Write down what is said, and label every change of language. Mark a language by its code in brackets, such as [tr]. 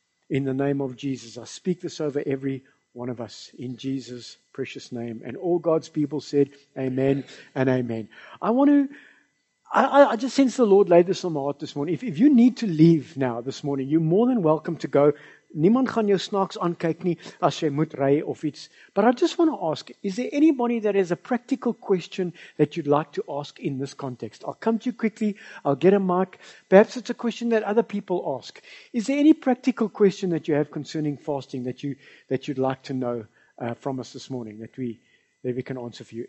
[en] In the name of Jesus, I speak this over every one of us in Jesus' precious name. And all God's people said, amen and amen. I just sense the Lord laid this on my heart this morning. If you need to leave now this morning, you're more than welcome to go. [af] Niemand gaan jou snaaks aankyk nie as jy moet ry of iets. [en] But I just want to ask, is there anybody that has a practical question that you'd like to ask in this context? I'll come to you quickly. I'll get a mic. Perhaps it's a question that other people ask. Is there any practical question that you have concerning fasting that you'd like to know from us this morning that we can answer for you?